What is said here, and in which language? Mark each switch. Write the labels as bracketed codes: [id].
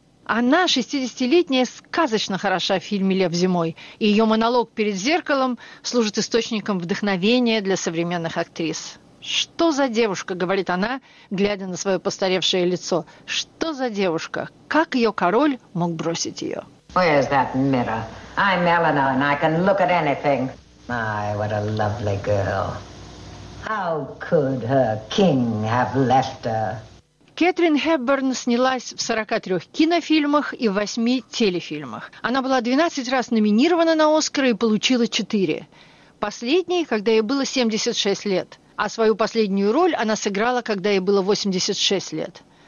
[ru] Она, 60-летняя, сказочно хороша в фильме «Лев зимой», и ее монолог перед зеркалом служит источником вдохновения для современных актрис. «Что за девушка?» – говорит она, глядя на свое постаревшее лицо. «Что за девушка? Как ее король мог бросить ее?» [en] Where's that mirror? I'm Eleanor, and I can look at anything. My, what a lovely girl. How could her king have left her? [ru] Кэтрин Хепберн снялась в 43 кинофильмах и 8 телефильмах. Она была 12 раз номинирована на «Оскар» и получила 4. Последний, когда ей было 76 лет. А свою последнюю роль она сыграла, когда ей было 86 лет.